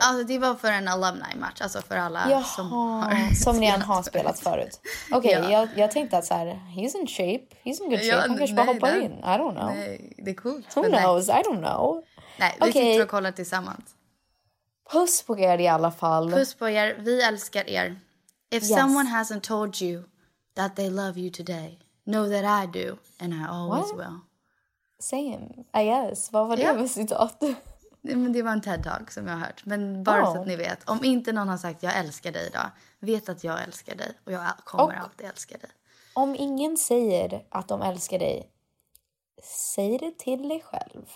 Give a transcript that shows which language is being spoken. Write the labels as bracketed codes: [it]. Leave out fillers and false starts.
[sv] Alltså det var för en alumni match, alltså för alla som ni än har spelat förut. Okej, [en] okay, [sv] jag tänkte att så här, [en] he's in shape, he's in good shape. [sv] Han kanske bara hoppar in. [en] I don't know. [sv] Nej, det är coolt. [en] Who knows? I don't know. [sv] Nej, vi sitter och kollar tillsammans. Puss på er i alla fall. Puss på er. Vi älskar er. [en] If someone hasn't told you that they love you today, know that I do, and I always will. Same, I guess. [sv] Vad var det med citat? Men det var en TED-talk som jag har hört. Men bara så att ni vet, om inte någon har sagt jag älskar dig idag, vet att jag älskar dig och jag kommer alltid älska dig. Om ingen säger att de älskar dig, säg det till dig själv.